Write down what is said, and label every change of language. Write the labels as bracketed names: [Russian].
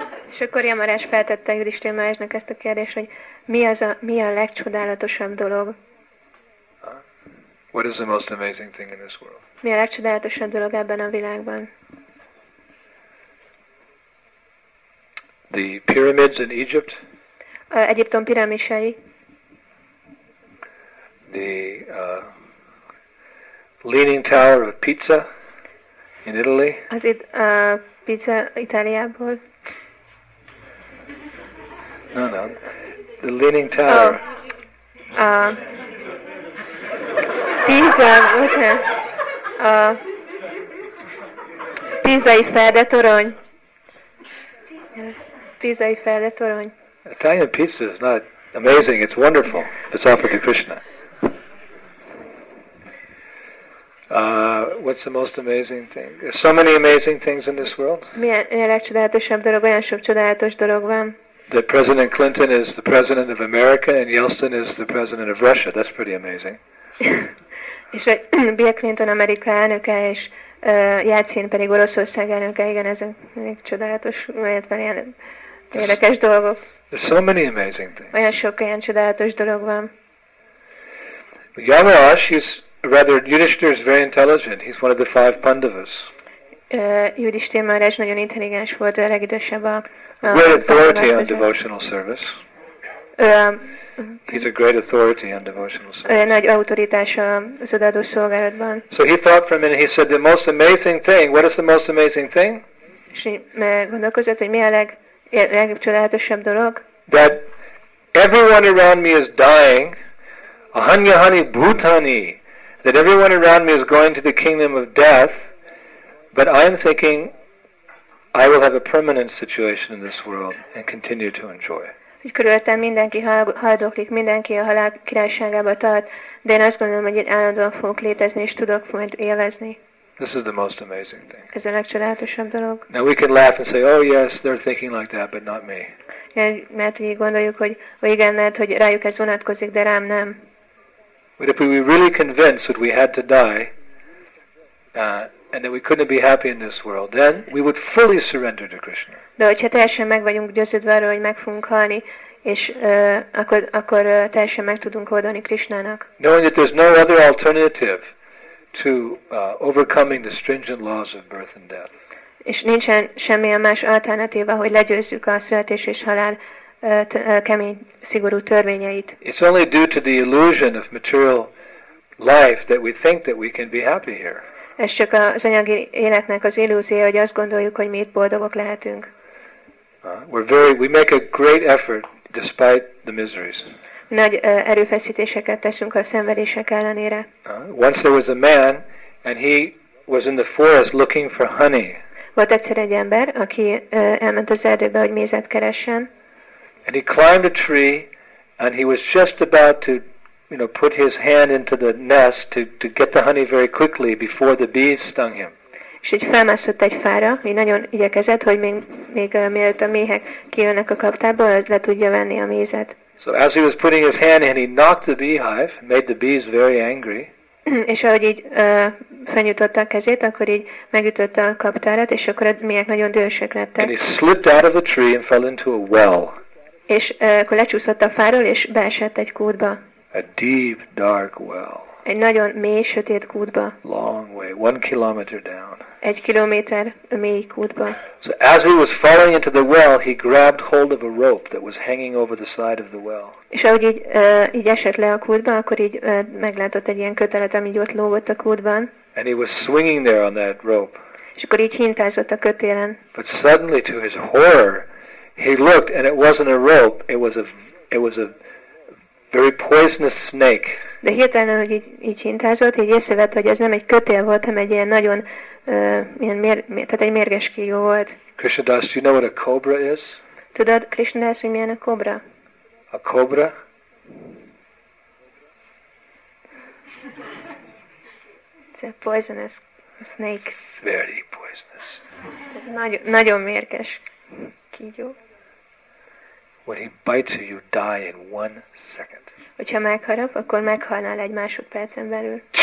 [Hungarian] És akkor Yamaraj feltette Yudhishthir Maharajnak ezt a kérdést, hogy mi a legcsodálatosabb dolog? [English] What is the most amazing thing in this world? [Hungarian] Mi a legcsodálatosabb dolog ebben a világban? [English] The pyramids in Egypt. [Hungarian] Egyiptom piramisai. [English] The Leaning Tower of Pisa in Italy. [Hungarian] Az itt Pisa Itáliából. [English] No, no. The Leaning Tower. [Hungarian] Pisa, Pisa-i Ferde torony. Pisa-i Ferde torony. [English] Italian pizza is not amazing, it's wonderful. It's offered to Krishna. What's the most amazing thing? There's so many amazing things in this world. [Hungarian] Milyen legcsodálatosabb dolog, olyan sok csodálatos dolog van. [English] That President Clinton is the president of America and Yeltsin is the president of Russia. That's pretty amazing. [Hungarian] És hogy Bill Clinton Amerika elnöke, és Jeltsin pedig Oroszország elnöke, igen, ezek még csodálatos, vagy ilyen érdekes dolgok. [English] There's so many amazing things. [Hungarian] Olyan sok ilyen csodálatos dolog van. [English] Yamaraj, he's rather, Yudhishthir is very intelligent. He's one of the five Pandavas. [Hungarian] Yudhishthir Maharaj nagyon intelligens volt, a legidősebb a [English] great authority on devotional service. He's a great authority on devotional service. [Hungarian] Nagy autoritás az odaadó szolgálatban. [English] So he thought for a minute. He said, "The most amazing thing. What is the most amazing thing?" [Hungarian] És meggondolkozott, hogy mi a legcsodálatosabb dolog. [English] That everyone around me is dying, [Sanskrit] ahanyahani bhutani. [English] That everyone around me is going to the kingdom of death, but I am thinking I will have a permanent situation in this world and continue to enjoy. [Hungarian] Hogy körülöttem mindenki haldoklik, mindenki a halál királyságába tart, de én azt gondolom, hogy itt állandóan fogok létezni és tudok majd élvezni. [English] This is the most amazing thing. [Hungarian] Ez a legcsodálatosabb dolog. [English] Now we can laugh and say, oh yes, they're thinking like that, but not me. [Hungarian] Mert így gondoljuk, hogy igen, mert hogy rájuk ez vonatkozik, de rám nem. [English] But if we were really convinced that we had to die and that we couldn't be happy in this world, then we would fully surrender to Krishna. [Hungarian] De hogyha teljesen meg vagyunk győződve arról, hogy meg fogunk halni, és akkor teljesen meg tudunk oldani Krishnának. [English] Knowing that there's no other alternative to overcoming the stringent laws of birth and death. [Hungarian] És nincsen semmilyen más alternatíva, hogy legyőzzük a születés és halál kemény, szigorú törvényeit. [English] It's only due to the illusion of material life that we think that we can be happy here. [Hungarian] Ez csak az anyagi életnek az illúzió, hogy azt gondoljuk, hogy mi itt boldogok lehetünk. [English] We make a great effort despite the miseries. [Hungarian] Nagy erőfeszítéseket teszünk a szenvedések ellenére. [English] Once there was a man, and he was in the forest looking for honey. [Hungarian] Volt egyszer egy ember, aki elment az erdőbe, hogy mézet keressen. [English] And he climbed a tree, and he was just about to, you know, put his hand into the nest to get the honey very quickly before the bees stung him. [Hungarian] És így felmászott egy fára, így nagyon igyekezett, hogy még mielőtt a méhek kijönnek a kaptából, le tudja venni a mézet. [English] So as he was putting his hand in, he knocked the beehive, made the bees very angry. [Hungarian] És ahogy így felnyújtotta a kezét, akkor így megütötte a kaptárat, és akkor a méhek nagyon dühösek lettek. [English] And he slipped out of the tree and fell into a well. [Hungarian] És akkor lecsúszott a fáról, és beesett egy kútba. [English] A deep, dark well. [Hungarian] Egy nagyon mély, sötét kútba. [English] Long way, 1 kilometer down. [Hungarian] Egy kilométer mély kútba. [English] So as he was falling into the well, he grabbed hold of a rope that was hanging over the side of the well. [Hungarian] És ahogy így esett le a kútba, akkor így meglátott egy ilyen kötelet, ami ott lógott a kútban. [English] And he was swinging there on that rope. [Hungarian] És akkor így hintázott a kötélen. [English] But suddenly, to his horror, he looked, and it wasn't a rope. It was a very poisonous snake. [Hungarian] De hirtelen, hogy így hintázott, így észrevett, hogy ez nem egy kötél volt, hanem egy ilyen nagyon, tehát egy mérges kígyó volt. [English] Krishna Das, do you know what a cobra is? [Hungarian] Tudod, Krishna Das, hogy milyen a kobra? [English] A cobra? It's a poisonous snake. Very poisonous. [Hungarian] Nagyon mérges kígyó. [English] When he bites you, you die in 1 second. [Hungarian] Hogyha megharap, akkor meghalnál egy másodpercen belül.